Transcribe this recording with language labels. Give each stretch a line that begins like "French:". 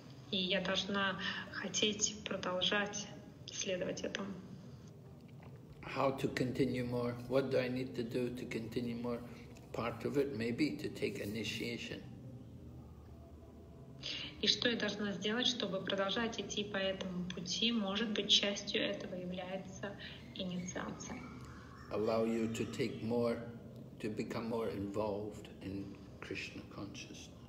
Russian: И я должна хотеть продолжать следовать этому.
English: How to continue more? What do I need to do to continue more? Part of it maybe to take initiation.
Russian: И что я должна сделать, чтобы продолжать идти по этому пути? Может быть, частью этого является инициация.
English: Allow you to take more, to become more involved in Krishna consciousness.